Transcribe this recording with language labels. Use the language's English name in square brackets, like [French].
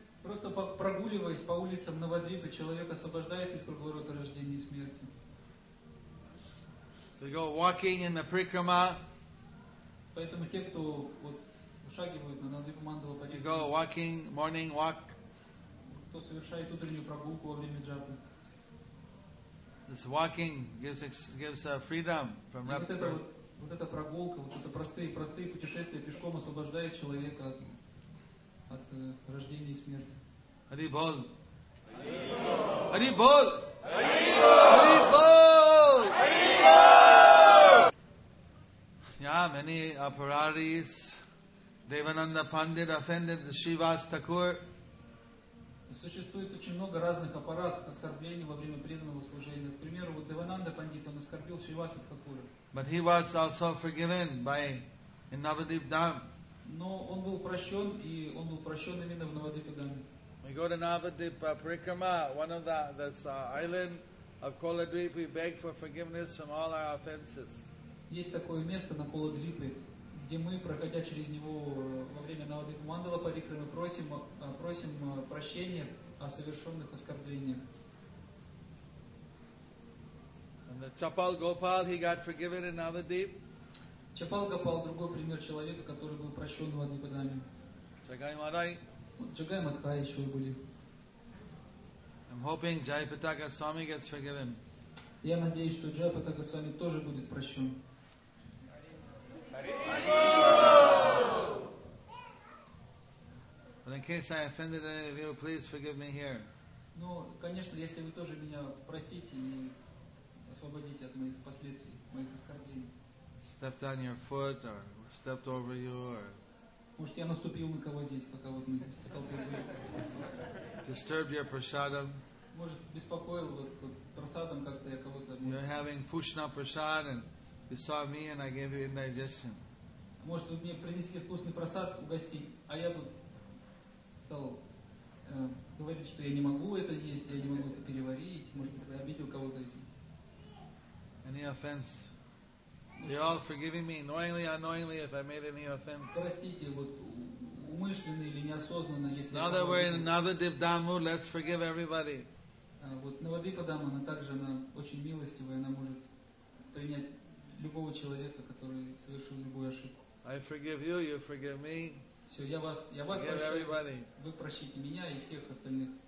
[Russian] Просто прогуливаясь по улицам Навадвипы, человек освобождается из круговорота рождения и смерти. [English] They go walking in the Parikrama. [Russian] Поэтому те, кто вот шагивают на Навадвипу Мандала Парикрама, [English] go walking, morning walk. [Russian] Кто совершает утреннюю прогулку во время джапы. [English] This walking gives freedom from repetition. [Russian] Вот эта прогулка, вот это простые путешествия пешком освобождает человека от рождения и смерти. [Bangla] Харибол. Харибол. Харибол. Харибол. Харибол. [English] Yeah, many apararis. Devananda Pandit offended the Shivas Thakur. [Russian] Существует очень много разных аппаратов оскорблений во время преданного служения. К примеру, вот Девананда Пандит, он оскорбил Шиваса Такура. [English] But he was also forgiven by Navadvipadham. [Russian] Но он был прощен, и он был прощен именно в Навадвипадхаме. [English] We go to Navadvipa Parikrama, one of the island of Koladvipa. We beg for forgiveness from all our offenses. [Russian] Есть такое место на Коладвипе, где мы, проходя через него во время Навадвипа Мандала Парикрамы, просим прощения о совершенных оскорблениях. [English] And the Chapal Gopal, he got forgiven in Navadvip. [Russian] Чапал Гопал — другой пример человека, который был прощен в Навадвипадхаме. Джагай Мадхай. Джагай Мадхай еще были. [English] I'm hoping Jayapataka Swami gets forgiven. [Russian] Я надеюсь, что Джайпатака Свами тоже будет прощен. [English] But in case I offended any of you, please forgive me here. [Russian] Ну, конечно, если вы тоже меня простите и освободите от моих последствий, моих оскорблений. [English] Stepped on your foot, or stepped over you, or [Russian] может, я наступил на кого здесь, пока вот мы столкнулись. [English] Disturbed your prasadam. [Russian] Может, беспокоил вот прасадам как-то я кого-то. [English] You're having fushna prasad, and you saw me, and I gave you indigestion. [Russian] Может, вы мне принесли вкусный прасад угостить, а я тут стал говорить, что я не могу это есть, я не могу это переварить. Может, я обидел кого-то этим. [English] Any offense? You're all forgiving me knowingly, unknowingly, if I made any offense. [Russian] Простите, вот умышленно или неосознанно, если. [English] Now that we're in Navadvipadhamu, let's forgive everybody. [Russian] Вот Навадвипадхама, она также она очень милостивая, она может принять любого человека, который совершил любую ошибку. [English] I forgive you. You forgive me. [Russian] Все, я вас [English] forgive everybody. [Russian] Вы прощите меня и всех остальных.